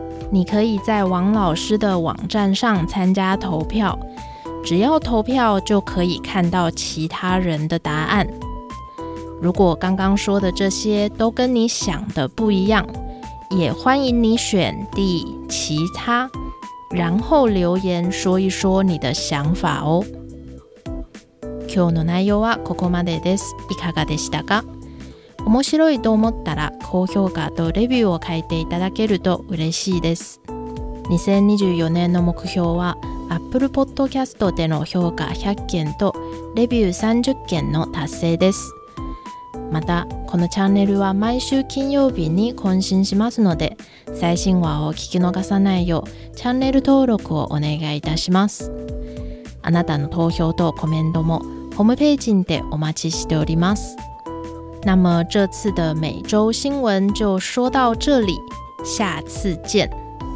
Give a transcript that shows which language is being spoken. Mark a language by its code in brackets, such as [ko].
[zh] 你可以在王老师的网站上参加投票，只要投票就可以看到其他人的答案。如果刚刚说的这些都跟你想的不一样，也欢迎你选 D 其他，然后留言说一说你的想法哦。 [ja] 今日の内容はここまでです。いかがでしたか？面白いと思ったら高評価とレビューを書いていただけると嬉しいです。 2024年の目標は Apple Podcast での評価100件とレビュー30件の達成です。またこのチャンネルは毎週金曜日に更新しますので、最新話を聞き逃さないようチャンネル登録をお願いいたします。あなたの投票とコメントもホームページでお待ちしております。 [zh] 那么这次的每周新闻就说到这里，下次见。